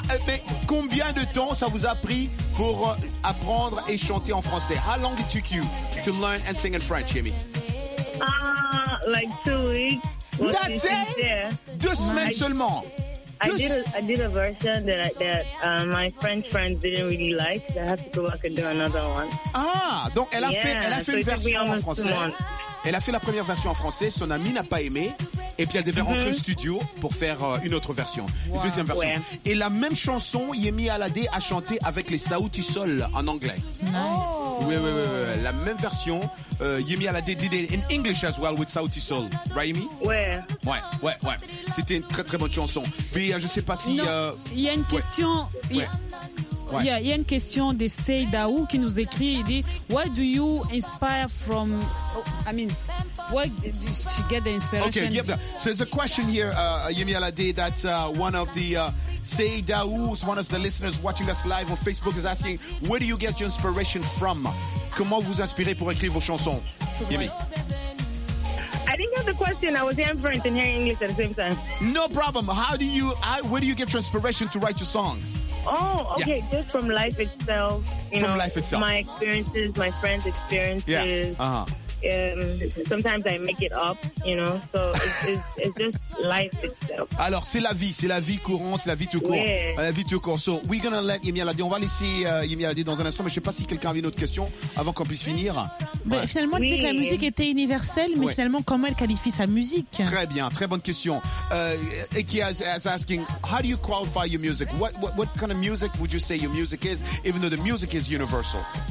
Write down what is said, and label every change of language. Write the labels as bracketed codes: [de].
[fr] Mais combien de temps ça vous a pris pour apprendre et chanter en français? [en] How long it took you to learn and sing in French, Yemi? Like 2 weeks. That's it. [fr] 2 semaines seulement. [en] I did a version that my French friends didn't really like. So I had to go back and do another one. [fr] Ah, donc elle a fait [en] so [fr] une version en français. Elle a fait la première version en français. Son ami n'a pas aimé. Et puis elle devait rentrer au studio pour faire une autre version, une deuxième version. Ouais. Et la même chanson, Yemi Alade a chanté avec les Saouti Sol en anglais. [en] Nice. [fr] Oui, oui, oui, oui. La même version, [en] Yemi Alade did it in English as well with Saouti Sol. Right, Yemi? [fr] Ouais. Ouais, ouais, ouais. C'était une très, très bonne chanson. Mais je ne sais pas si. Il y a une question. Il y a une question de Seydaou qui nous écrit. Il dit, [en] where do you inspire from? Oh, I mean. Where did you get the inspiration? Okay, yep. So there's a question here, Yemi Alade, that one of the Seydaou, one of the listeners watching us live on Facebook, is asking, where do you get your inspiration from? [fr] Comment vous inspirez pour écrire vos chansons, Yemi? [en] I didn't get the question. I was hearing French and hearing English at the same time. No problem. Where do you get your inspiration to write your songs? Oh, okay. Yeah. Just from life itself. From life itself. My experiences, my friends' experiences. Yeah. Sometimes I make it up, you know. So it's just life itself. [fr] Alors, c'est la vie courante. [en] Yeah. [fr] La vie tout court. [en] So we're going to let Yemi Alade. [fr] On va laisser Yemi Alade dans un instant. Mais je ne sais pas si quelqu'un avait une autre question avant qu'on puisse finir. Mais finalement, elle disait que la musique était universelle, mais finalement, comment elle qualifie sa musique? Très bien, très bonne question. [en] Eki is asking, how do you qualify your music? What kind of music would you say your music is, even though the music is universal?